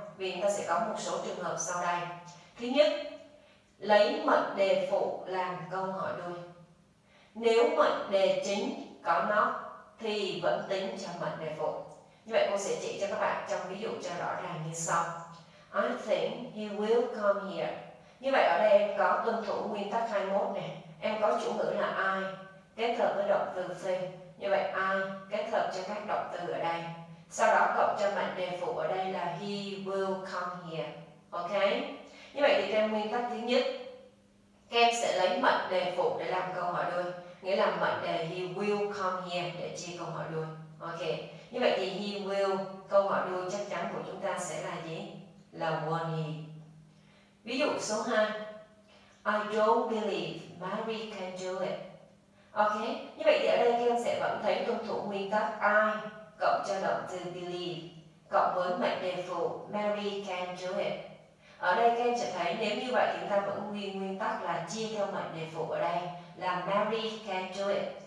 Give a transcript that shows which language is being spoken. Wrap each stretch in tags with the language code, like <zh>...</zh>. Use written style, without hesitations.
<vi>Vì ta sẽ có một số trường hợp sau đây. Thứ nhất, lấy mệnh đề phụ làm câu hỏi đuôi. Nếu mệnh đề chính có nó thì vẫn tính cho mệnh đề phụ. Như vậy cô sẽ chỉ cho các bạn trong ví dụ cho rõ ràng như sau.</vi> <en>I think he will come here.</en> <vi>Như vậy ở đây em có tuân thủ nguyên tắc 21 nè. Em có chủ ngữ là I kết hợp với động từ think. Như vậy I kết hợp cho các động từ ở đây. Sau đó cộng cho mệnh đề phụ ở đây là</vi> <en>he will come here.</en> <vi>Ok. Như vậy thì theo nguyên tắc thứ nhất, em sẽ lấy mệnh đề phụ để làm câu hỏi đuôi. Nghĩa là mệnh đề</vi> <en>he will come here</en> <vi>để chia câu hỏi đuôi. Ok. Như vậy thì he will, câu hỏi đuôi chắc chắn của chúng ta sẽ là gì? Là won he. Ví dụ số 2.</vi> <en>I don't believe Mary can do it. Ok.</en> <vi>Như vậy thì ở đây em sẽ vẫn thấy tuân thủ nguyên tắc I cộng cho động từ believe cộng với mệnh đề phụ</vi> <en>Mary can do it.</en> <vi>Ở đây các em sẽ thấy nếu như vậy thì chúng ta vẫn nguyên tắc là chia theo mệnh đề phụ ở đây là</vi> <en>Mary can do it.</en>